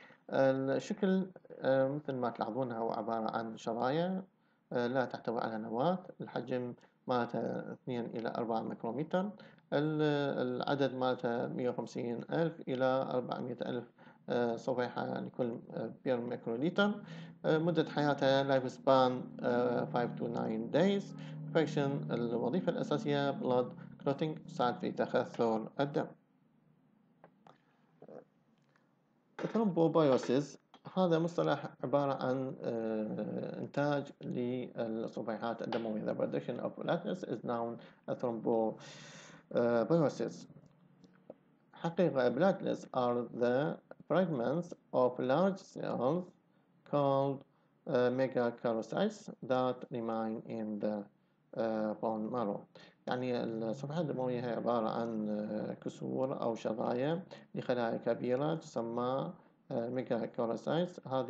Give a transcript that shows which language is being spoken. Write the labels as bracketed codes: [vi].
[ar] الشكل مثل ما تلاحظونها هو عبارة عن شرايا لا تحتوي على نواة، الحجم مالتها 2 إلى 4 ميكرومتر، العدد مالتها 150 ألف إلى 400 ألف صفيحة لكل بير ميكروليتر، مدة حياتها لايف سبان [en] 5 to 9 days، [ar] فاكشن الوظيفة الأساسية blood clotting، تساعد في تخثر الدم. ترومبوبايوسيس هذا مصطلح عبارة عن إنتاج للصبيحات الدموية. [en] The production of platelets is known as thrombobiosis. حقيقة platelets are the fragments of large cells called megakaryocytes that remain in the bone marrow. [ar] يعني الصبيحات الدموية هي عبارة عن كسور أو شظايا لخلايا كبيرة تسمى ميجاكاريوسايتس.